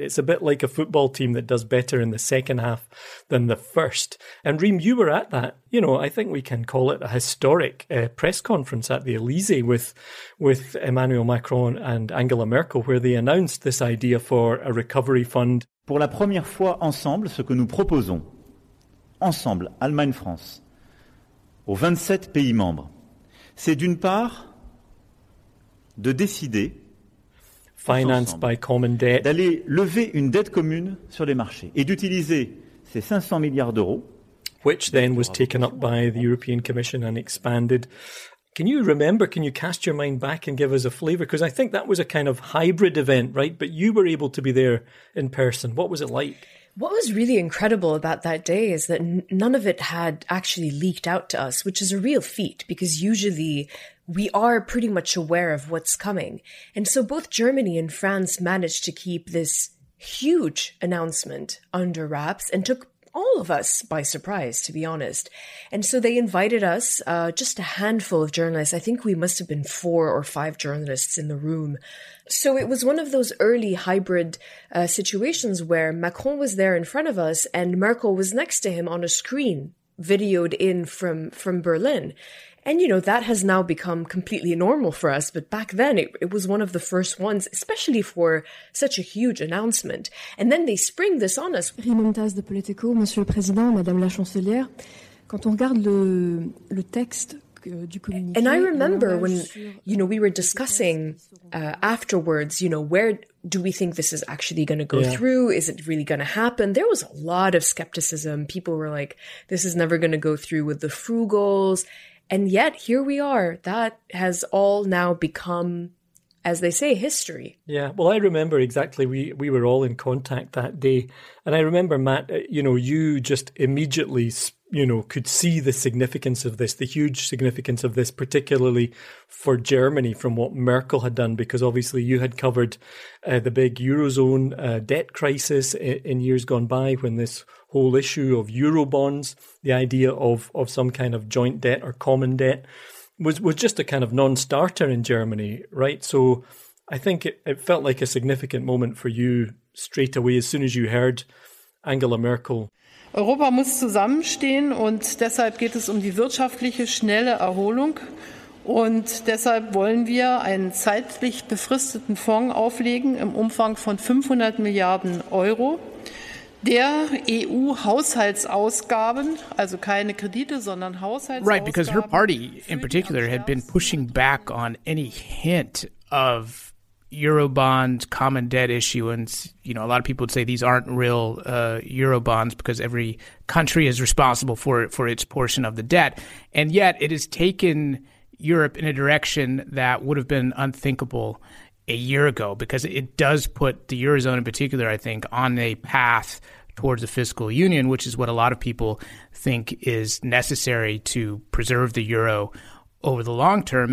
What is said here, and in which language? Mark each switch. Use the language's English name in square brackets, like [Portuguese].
[English] It's a bit like a football team that does better in the second half than the first. And Reem, you were at that, you know, I think we can call it a historic press conference at the Elysee with Emmanuel Macron and Angela Merkel, where they announced this idea for a recovery fund. [French] Pour la première fois ensemble, ce que nous proposons, ensemble, Allemagne-France, aux 27 pays membres, c'est d'une part de décider, [English] financed by common debt, [French] d'aller lever une dette commune sur les marchés et d'utiliser ces 500 milliards d'euros, [English] which then was taken up by the European Commission and expanded. Can you remember, can you cast your mind back and give us a flavour? Because I think that was a kind of hybrid event, right? But you were able to be there in person. What was it like? What was really incredible about that day is that none of it had actually leaked out to us, which is a real feat because usually we are pretty much aware of what's coming. And so both Germany and France managed to keep this huge announcement under wraps and took all of us by surprise, to be honest. And so they invited us, just a handful of journalists. I think we must have been four or five journalists in the room. So it was one of those early hybrid situations where Macron was there in front of us and Merkel was next to him on a screen, videoed in from Berlin. And, you know, that has now become completely normal for us. But back then, it was one of the first ones, especially for such a huge announcement. And then they spring this on us. [French] Rimontas de Politico, Monsieur le Président, Madame la Chancelière. Quand on regarde le texte du communiqué. [English] And I remember when, you know, we were discussing afterwards, you know, where do we think this is actually going to go through? Is it really going to happen? There was a lot of skepticism. People were like, this is never going to go through with the frugals. And yet, here we are. That has all now become, as they say, history. Yeah, well, I remember exactly. We were all in contact that day. And I remember, Matt, you know, you just immediately, you know, could see the significance of this, the huge significance of this, particularly for Germany from what Merkel had done, because obviously you had covered the big Eurozone debt crisis in years gone by when this whole issue of euro bonds, the idea of some kind of joint debt or common debt was just a kind of non-starter in Germany, right? So I think it felt like a significant moment for you straight away as soon as you heard Angela Merkel. [German] Europa muss zusammenstehen und deshalb geht es um die wirtschaftliche schnelle Erholung und deshalb wollen wir einen zeitlich befristeten Fonds auflegen im Umfang von 500 Milliarden Euro. Der EU-Haushaltsausgaben, also keine Kredite, sondern Haushaltsausgaben. [English] Right, because her party in particular had been pushing back on any hint of Eurobond common debt issuance. You know, a lot of people would say these aren't real Eurobonds because every country is responsible for its portion of the debt. And yet it has taken Europe in a direction that would have been unthinkable a year ago, because it does put the Eurozone in particular, I think, on a path towards a fiscal union, which is what a lot of people think is necessary to preserve the euro over the long term.